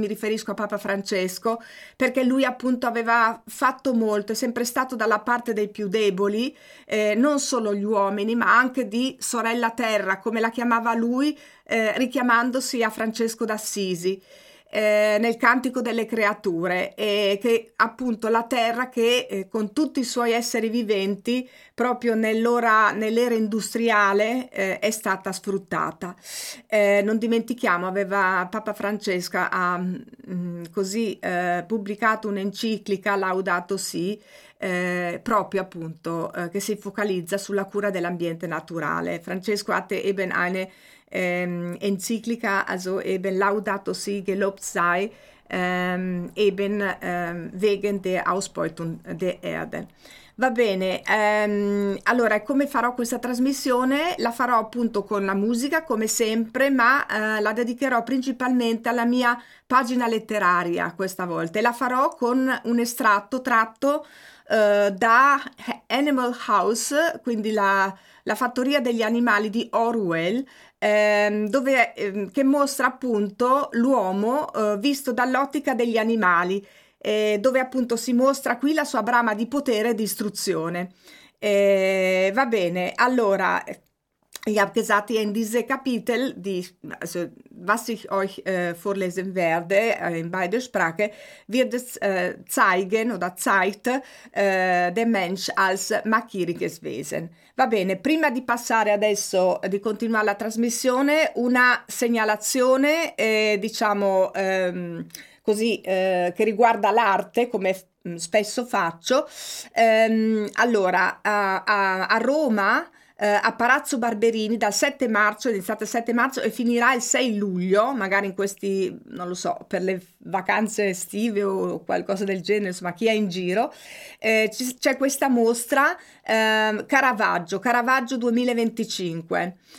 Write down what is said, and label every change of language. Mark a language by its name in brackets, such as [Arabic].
[Italian] Mi riferisco a Papa Francesco perché lui appunto aveva fatto molto, è sempre stato dalla parte dei più deboli, non solo gli uomini, ma anche di Sorella Terra, come la chiamava lui, richiamandosi a Francesco d'Assisi, nel Cantico delle Creature, e che appunto la terra che con tutti i suoi esseri viventi proprio nell'era industriale è stata sfruttata. Non dimentichiamo, aveva Papa Francesco ha così pubblicato un'enciclica, Laudato Si', proprio appunto che si focalizza sulla cura dell'ambiente naturale. [German] Francesco hatte eben eine Enciclica, also eben Laudato Si', gelobt sei, eben wegen der Ausbeutung der Erde. [Italian] Va bene, allora come farò questa trasmissione? La farò appunto con la musica, come sempre, ma la dedicherò principalmente alla mia pagina letteraria questa volta. La farò con un estratto tratto da Animal House, quindi la fattoria degli animali di Orwell. Che mostra appunto l'uomo visto dall'ottica degli animali, dove appunto si mostra qui la sua brama di potere e di istruzione. Va bene, allora, [German] Ich habe gesagt, in diesem Kapitel, was ich euch vorlesen werde in beide Sprachen, wird es zeigen oder zeigt den Mensch als machiriges Wesen. [Italian] Va bene, prima di passare adesso, di continuare la trasmissione, una segnalazione, diciamo così, che riguarda l'arte, come spesso faccio. A Roma, a Palazzo Barberini, dal 7 marzo, è iniziato il 7 marzo e finirà il 6 luglio, magari in questi, non lo so, per le vacanze estive o qualcosa del genere, insomma, chi è in giro, c'è questa mostra Caravaggio 2025.